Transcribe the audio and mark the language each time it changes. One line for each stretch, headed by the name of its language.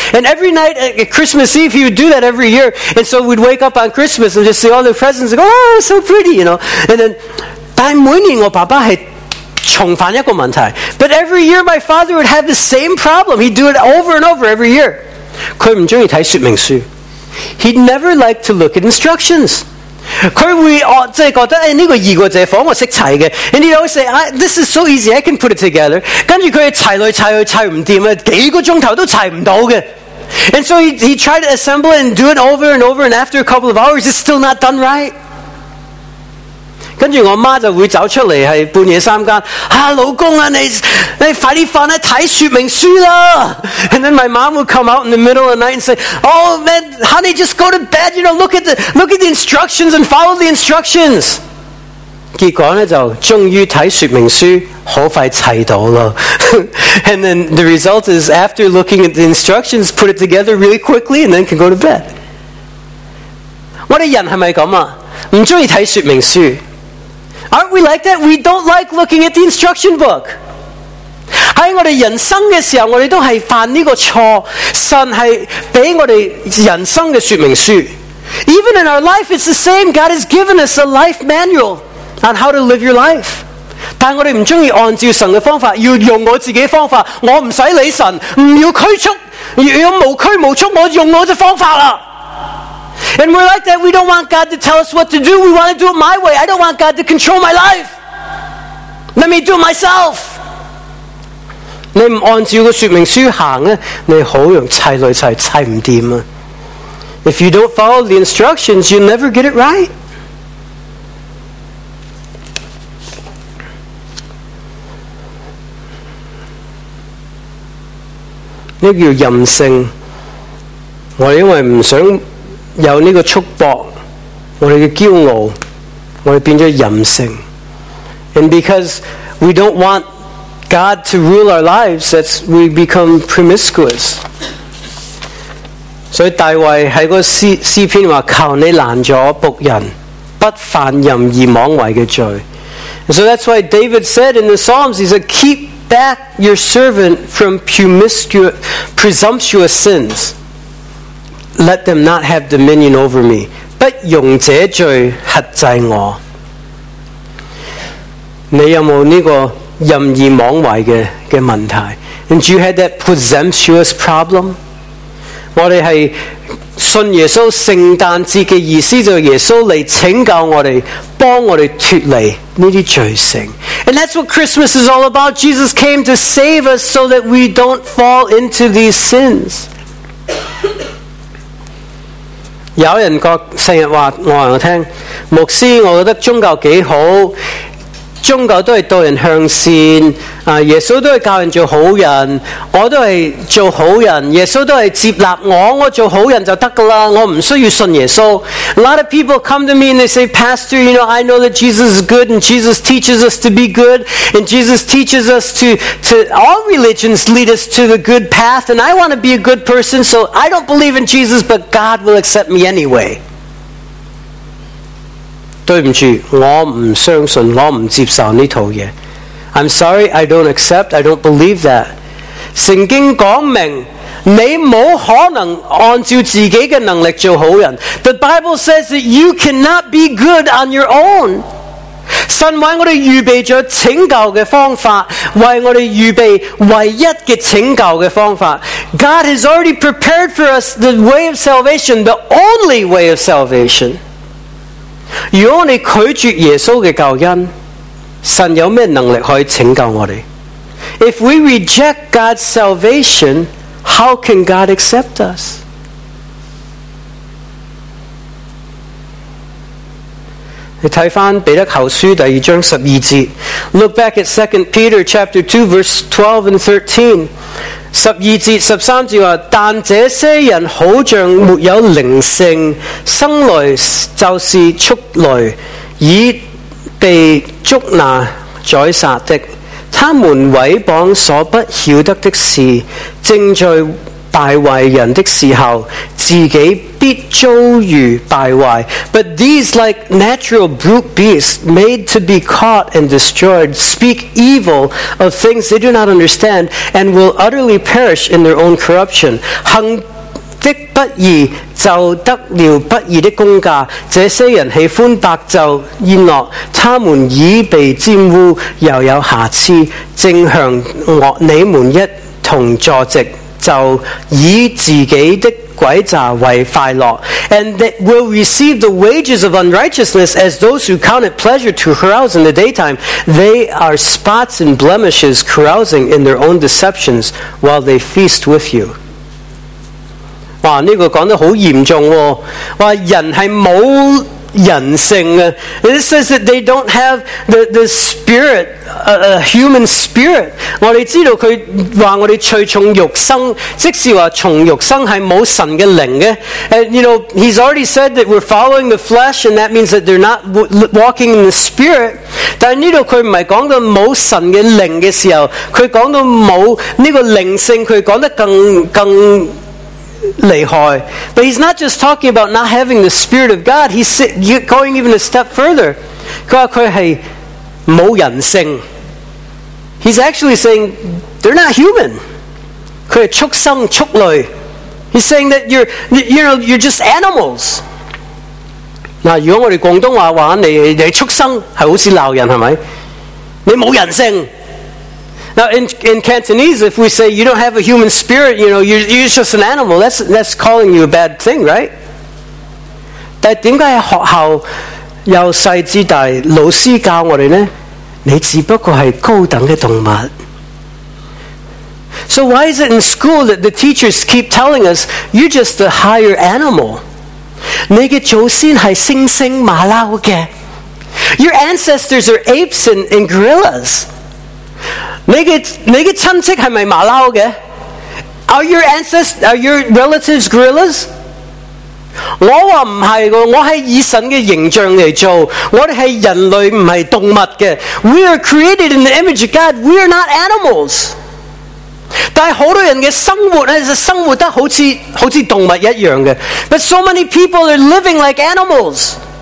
English: And every night at Christmas Eve, he would do that every year. And so we'd wake up on Christmas and just see all the presents and go, oh, so pretty, you know.
Cantonese: And then, 但系每年我爸爸系重犯一个问题。
English: But every year my father would have the same problem. He'd do it over and over every year.
Cantonese: 佢唔中意睇说明书。
English: He'd never like to look at instructions.
Cantonese: 佢会即系觉得诶呢个易过借火，我识砌嘅。
English: And he'd always say, this is so easy, I can put it together.
Cantonese: 跟住佢砌来砌去砌唔掂啊，几个钟头都砌唔到嘅。
English: And so he tried to assemble it and do it over and over, and after a couple of hours, it's still not done right.
Cantonese: 跟住我妈就会走出嚟，系半夜三更，啊，老公啊，你快啲瞓啦，睇说明书啦。
English: And then my mom would come out in the middle of the night and say, oh man, honey, just go to bed, you know, look at the instructions and follow the instructions.
Cantonese: 结果呢，就终于睇说明书。好快砌到了
English: And then the result is, after looking at the instructions, put it together really quickly and then can go to bed.
Cantonese: 我们人是不是这样？不喜欢看说明书。
English: Aren't we like that? We don't like looking at the instruction book.
Cantonese: 在我们人生的时候，我们都是犯这个错。神是给我们人生的说明书。
English: Even in our life, it's the same. God has given us a life manual on how to live your life.
Cantonese: 但我哋唔中意按照神嘅方法，要用我自己嘅方法。我唔使理神，唔要拘束，要无拘无束。我用我嘅方法啦。
English: And we're like that. We don't want God to tell us what to do. We want to do it my way. I don't want God to control my life. Let me do it myself.
Cantonese: 你唔按照个说明书行咧，你好容易砌来砌，砌唔掂啊。
English: If you don't follow the instructions, you'll never get it right.
Cantonese: 呢叫任性，我哋因为唔想有呢个束缚，我哋嘅骄傲，我哋变咗任性。
English: And because we don't want God to rule our lives, that we become promiscuous.
Cantonese: 所以大卫喺个诗篇话：求你拦阻仆人不犯任意妄为嘅罪。
English: And so that's why David said in the Psalms, he said, keep. Back your servant from presumptuous sins. Let them not have dominion over me.
Cantonese: 不用这罪辖制我。你有冇呢个任意妄为嘅问题 ？
English: And you had that presumptuous problem.
Cantonese: 我哋系信耶稣圣诞节嘅意思，就是耶稣嚟拯救我哋。帮我们脱离这些罪性。
English: And that's what Christmas is all about. Jesus came to save us so that we don't fall into these sins.
Cantonese: 有人经常说，我告诉牧师，我觉得宗教挺好，宗教都是导人向善，耶稣都是教人做好人，我都是做好人，耶稣都是接纳我，我做好人就得噶啦，我唔需要信耶稣。
English: A lot of people come to me and they say, Pastor, you know, I know that Jesus is good and Jesus teaches us to be good and Jesus teaches us to all religions lead us to the good path and I want to be a good person, so I don't believe in Jesus, but God will accept me anyway.
Cantonese: 对不住，我不相信，我不接受这套东西。
English: I'm sorry, I don't accept, I don't believe that.
Cantonese: 圣经讲明，你不可能按照自己的能力做好人。
English: The Bible says that you cannot be good on your own.
Cantonese: 神为我们预备了拯救的方法，为我们预备唯一的拯救的方法。
English: God has already prepared for us the way of salvation, the only way of salvation.
Cantonese: 如果你拒绝耶稣的救恩，神有什么能力可以拯救我们？
English: If we reject God's salvation, how can God accept us?
Cantonese: 你看回彼得后书第二章十二节，
English: Look back at 2 Peter chapter 2 verse 12 and 13。
Cantonese: 十二节、十三节话，但这些人好像没有灵性，生来就是畜类，已被捉拿宰杀的。他们毁谤所不晓得的事，正在败坏人的时候，自己必遭遇败坏。
English: But these like natural brute beasts, made to be caught and destroyed, speak evil of things they do not understand, and will utterly perish in their own corruption.
Cantonese: 行的不义就得了不义的公价，这些人喜欢白昼宴乐，他们已被玷污，又有瑕疵，正向你们一同坐席，就以自己的诡诈为快乐。
English: And that will receive the wages of unrighteousness as those who count it pleasure to carouse in the daytime. They are spots and blemishes carousing in their own deceptions while they feast with you.
Cantonese: 哇，这个讲得好严重哦。哇，人是没人性的。
English: It says that they don't have the spirit, a human spirit.
Cantonese: 我们知道他说我们随从肉身，即是说从肉身是没有神的灵的。
English: And you know, he's already said that we're following the flesh, and that means that they're not walking in the spirit.
Cantonese: 但这里他不是说到没有神的灵的时候，他说到没有这个灵性，他说得更厉害。
English: But he's not just talking about not having the Spirit of God. He's going even a step further.
Cantonese: 他说他是没人性。
English: He's actually saying they're not human.
Cantonese: 他是畜生畜类。
English: He's saying that you're just animals.
Cantonese: 那如果我们广东话说你畜生，是好像骂人，是不是？你没人性。
English: Now, in Cantonese, if we say you don't have a human spirit, you know, you're just an animal, that's calling you a bad thing, right?
Cantonese: 但为什么在学校由细至大老师教我们呢？你只不过是高等的动物。
English: So why is it in school that the teachers keep telling us you're just a higher animal?
Cantonese: 你的祖先是猩猩马骝的。
English: Your ancestors are apes and gorillas.
Cantonese: 你的亲戚是不是马骝的？
English: Are your relatives gorillas?
Cantonese: 我说不是的，我是以神的形象来做，我们是人类，不是动物的。
English: We are created in the image of God, we are not animals.
Cantonese: 但很多人的生活呢，是生活得好像动物一样的。
English: But so many people are living like animals.